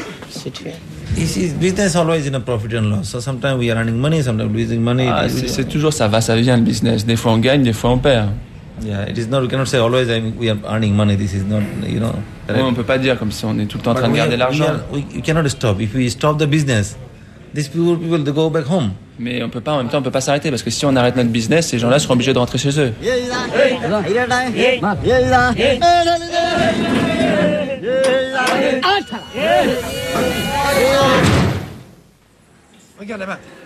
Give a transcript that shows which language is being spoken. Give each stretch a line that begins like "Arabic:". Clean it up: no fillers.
French: C'est toujours ça, va, ça vient le business. Des fois on gagne, des fois on perd.
English: Yeah, it is not. We cannot say always we are earning money. This is not, you know.
French: Oui, on peut pas dire comme si on est tout le temps en train de garder l'argent.
English: We cannot stop. If we stop the business, these people they go back home.
French: Mais on peut pas. En même temps, on peut pas s'arrêter parce que si on arrête notre business, ces gens-là seront obligés de rentrer chez eux. Regarde là-bas.